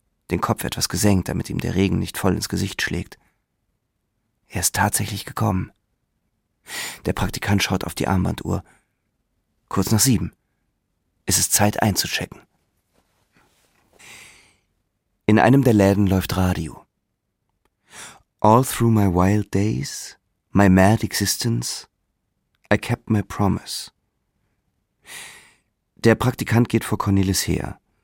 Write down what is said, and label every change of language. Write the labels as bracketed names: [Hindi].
[German] Den Kopf etwas gesenkt, damit ihm der Regen nicht voll ins Gesicht schlägt. Er ist tatsächlich gekommen. Der Praktikant schaut auf die Armbanduhr. Kurz nach 7. Es ist Zeit einzuchecken. In einem der Läden läuft Radio. [English] All through my wild days, my mad existence, I kept my promise. [German] Der Praktikant geht vor Cornelis her.